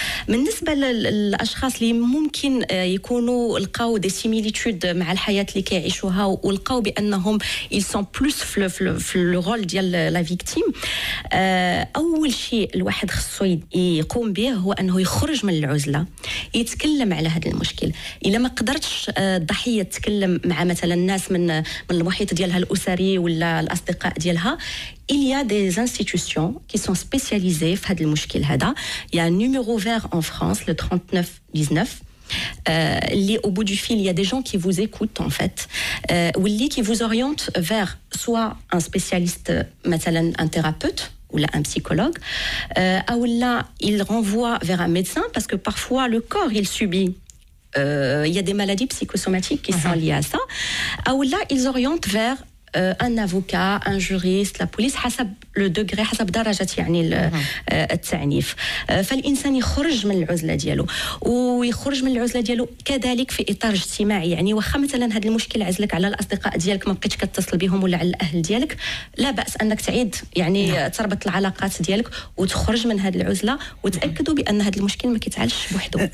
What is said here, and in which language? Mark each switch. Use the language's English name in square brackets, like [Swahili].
[Arabic] بالنسبة للأشخاص اللي ممكن يكونوا لقاو دي سيميليتود مع الحياة اللي كيعيشوها ولقاو بأنهم يسون بلوس في الرول ديال لا فيكتيم، أول شيء الواحد خصو يقوم به هو أنه يخرج من العزلة، يتكلم على هذا المشكل. إذا ما قدرتش الضحية تتكلم مع مثلا الناس من المحيط ديالها الأسري ولا الأصدقاء ديالها، [French] il y a des institutions qui sont spécialisées [Arabic] في هذا المشكل هذا. [French] il y a un numéro vert en France le 3919 اللي au bout du fil il y a des gens qui vous écoutent en fait ou اللي qui vous orientent vers soit un spécialiste مثلا un thérapeute ou là un psychologue ou là il renvoie vers un médecin parce que parfois le corps il subit il y a des maladies psychosomatiques qui sont liées à ça ou là ils orientent vers un avocat, un juriste, la police, حسب le degré, [Arabic] حسب درجة يعني التعنيف. فالإنسان يخرج من العزلة ديالو ويخرج من العزلة ديالو كذلك في إطار اجتماعي، يعني وخا مثلا هذه المشكلة عزلك على الأصدقاء ديالك ما بقيتش كتصل بهم ولا على الأهل ديالك، لا بأس أنك تعيد يعني تربط العلاقات ديالك وتخرج من هذه العزلة وتأكدوا بأن هذا المشكل ما كيتعالجش بوحده.